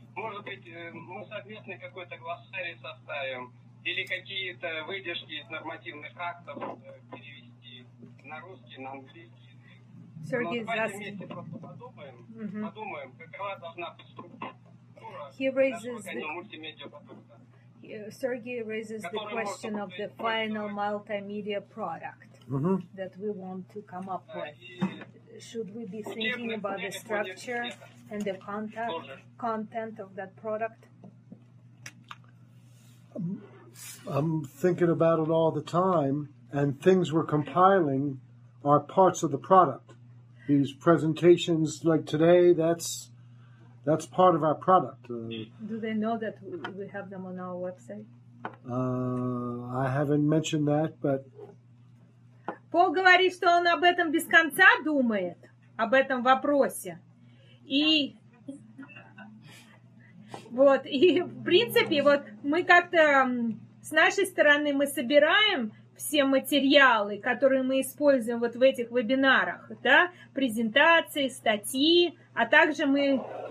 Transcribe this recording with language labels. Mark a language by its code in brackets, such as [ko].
[ru] Может быть, мы совместно какой-то глоссарий составим или какие-то выдержки из нормативных актов перевести на русский, на английский. Сергей, давайте вместе просто подумаем, подумаем, какова должна быть структура нашего мультимедиапродукта. [en] Sergey raises the question of the final multimedia product that we want to come up with. Should we be thinking about the structure and the content of that product? I'm thinking about it all the time, and things we're compiling are parts of the product. These presentations like today, that's part of our product. Do they know that we have them on our website? I haven't mentioned that, but [ru] Пол говорит, что он об этом без конца думает, об этом вопросе. И вот, и в принципе, вот мы как-то с нашей стороны мы собираем все материалы, которые мы используем вот в этих вебинарах, да, презентации, статьи, а также мы